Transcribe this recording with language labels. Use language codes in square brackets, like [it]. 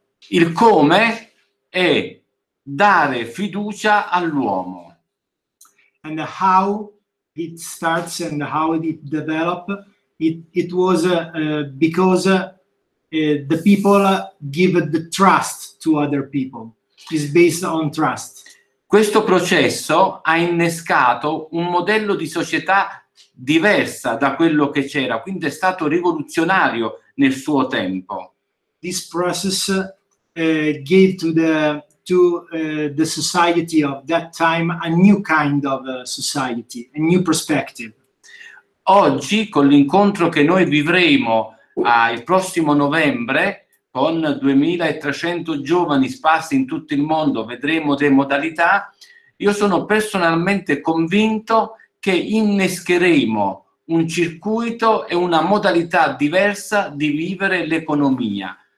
[it] Il come è dare fiducia all'uomo. [en] And how it starts and how it develops. It was because the people give the trust to other people. It's based on trust. [it] Questo processo ha innescato un modello di società diversa da quello che c'era, quindi è stato rivoluzionario nel suo tempo. [en] This process gave to the society of that time a new kind of society, a new perspective. [it] Oggi, con l'incontro che noi vivremo il prossimo novembre, con 2.300 giovani sparsi in tutto il mondo, vedremo le modalità, io sono personalmente convinto che innescheremo un circuito e una modalità diversa di vivere l'economia.